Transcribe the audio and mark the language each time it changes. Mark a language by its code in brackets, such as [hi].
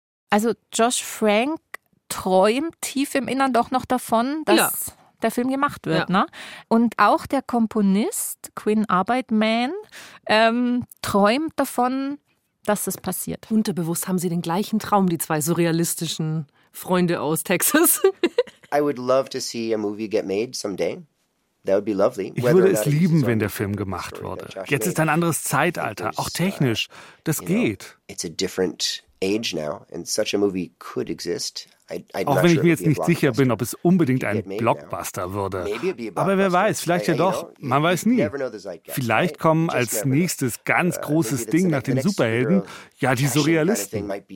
[de] Also Josh Frank träumt tief im Innern doch noch davon, dass der Film gemacht wird. Ja. Ne? Und auch der Komponist, Quinn Arbeitman, träumt davon, dass es passiert. Unterbewusst haben sie den gleichen Traum, die zwei surrealistischen Freunde aus Texas. [en] I would love to see a movie get made someday. That would be lovely. [de] Ich würde es lieben, wenn der Film gemacht wurde. Jetzt ist ein anderes Zeitalter, auch technisch. Das geht. [en] It's a different age now and such a movie could exist. [de] Auch wenn ich mir jetzt nicht sicher bin, ob es unbedingt ein Blockbuster würde. Aber wer weiß, vielleicht ja doch, man weiß nie. Vielleicht kommen als nächstes ganz großes Ding nach den Superhelden ja die Surrealisten.